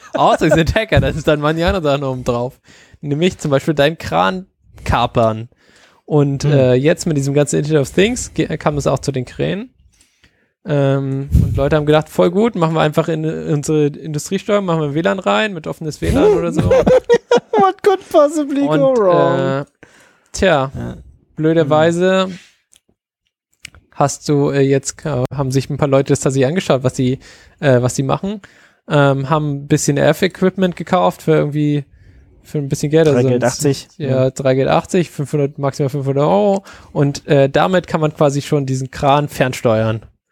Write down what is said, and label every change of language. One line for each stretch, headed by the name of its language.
German: Außer sie sind Hacker, das ist dann mal die andere Sache oben drauf. Nämlich zum Beispiel deinen Kran kapern. Und jetzt mit diesem ganzen Internet of Things kam es auch zu den Kränen. Und Leute haben gedacht, voll gut, machen wir einfach in unsere Industriesteuer, machen wir WLAN rein mit offenes WLAN oder so.
English: What could possibly go wrong?
German: Blöderweise haben sich ein paar Leute das tatsächlich angeschaut, was sie machen. Haben ein bisschen Earth-Equipment gekauft für ein bisschen Geld. 3 Geld 80. Ja, 3 Geld 80, maximal 500 Euro. Und damit kann man quasi schon diesen Kran fernsteuern.